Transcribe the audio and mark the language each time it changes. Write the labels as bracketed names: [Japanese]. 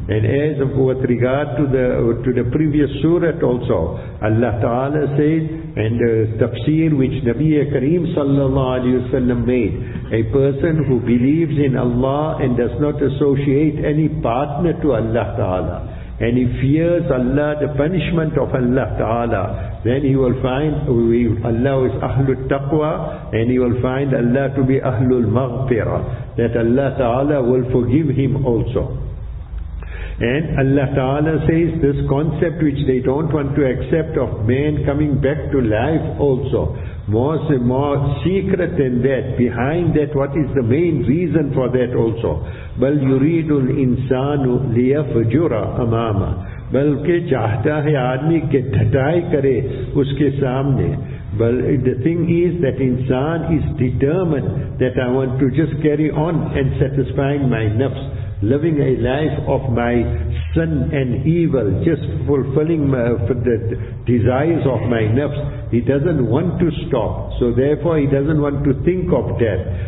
[English] And as of with regard to the previous surah also, Allah Ta'ala says, and the tafsir which Nabi Kareem sallallahu alayhi wasallam made, a person who believes in Allah and does not associate any partner to Allah Ta'ala, and he fears Allah, the punishment of Allah Ta'ala, then he will find Allah is Ahlul Taqwa, and he will find Allah to be Ahlul Maghfirah, that Allah Ta'ala will forgive him also. And Allah Ta'ala says this concept which they don't want to accept of man coming back to life also. was a more secret than that. Behind that, what is the main reason for that also? [Arabic] بَلْ يُرِيدُ الْإِنسَانُ لِيَفْجُرَ أَمَامَ [Urdu] بَلْكَ چاہتا ہے آدمی کے ڈھٹائی کرے اس کے سامنے. [English] But the thing is that insan is determined that I want to just carry on and satisfying my nafs, living a life of my sin and evil, just fulfilling the desires of my nafs. He doesn't want to stop, so therefore he doesn't want to think of death.